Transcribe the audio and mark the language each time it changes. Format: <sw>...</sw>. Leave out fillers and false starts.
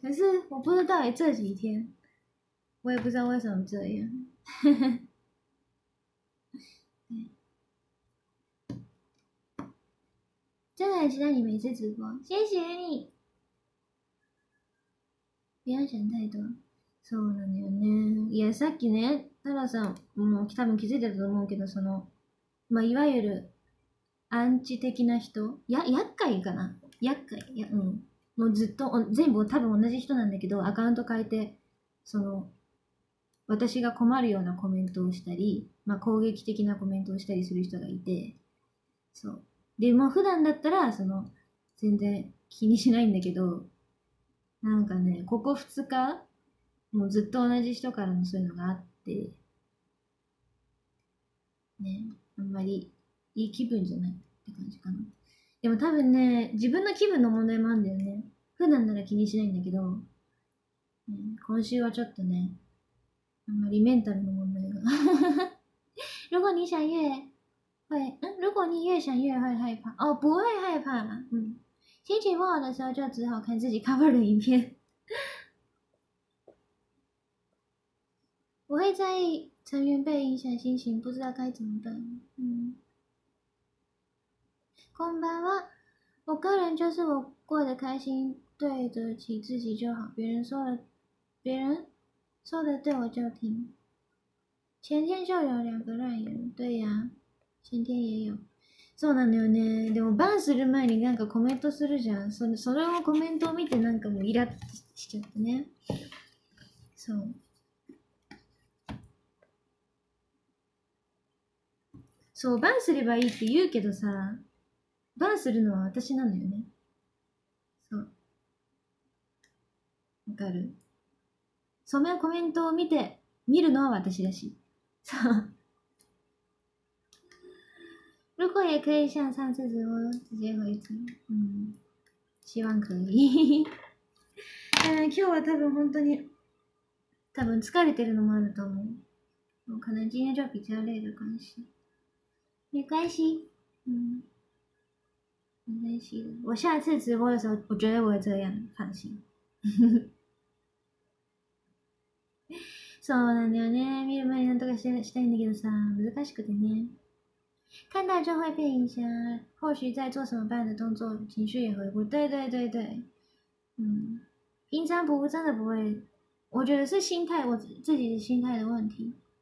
<zh>可是我不知道，这几天我也不知道为什么这样。真的很期待你每次直播，谢谢你。不要想太多。</zh> <ja>そうなんだよね。いや、さっきね、タラさん、もう多分気づいてたと思うけど、その、まあ、いわゆるアンチ的な人、や、厄介かな。厄介。や、もうずっと、全部多分同じ人なんだけど、アカウント変えて、その、私が困るようなコメントをしたり、まあ、攻撃的なコメントをしたりする人がいて、そう。でも普段だったら、その、全然気にしないんだけど、なんかね、ここ2日、もうずっと同じ人からのそういうのがあって、ね、あんまりいい気分じゃないって感じかな。でも多分ね、自分の気分の問題もあるんだよね。普段なら気にしないんだけど、今週はちょっとね、あんまりメンタルの問題が。</ja> <zh>如果你想越会，如果你越想越会害怕，哦，不会害怕啦，心情不好的时候就只好看自己 cover 的影片，我会在意成员被影响心情，不知道该怎么办，こんばんは，我个人就是我过得开心，对得起自己就好，别人说的对我就听。前天就有两个烂人，对呀，前天也有。</zh> <ja>そうなのよね。でもバンする前になんかコメントするじゃん。それをコメントを見てなんかもうイラッとしちゃったね。そう。そう、バンすればいいって言うけどさ、バンするのは私なのよね。わかる？そのコメントを見て、見るのは私だし。そう。</ja> <zh>如果也可以像上次直播直接回听，希望可以。</zh> <ja>今日は多分本当に、多分疲れてるのもあると思う。</ja> <zh>可能今天就比较累的关系。没关系，没关系的。我下次直播的时候，我绝对不会这样，放心。</zh> <ja>そうなんだよね。見る前になんとかしたいんだけどさ、難しくてね。</ja> <zh>看到就会被影响，或许在做什么办的动作，情绪也回不。对对对对，平常不真的不会，我觉得是心态，我自己的心态的问题。</zh>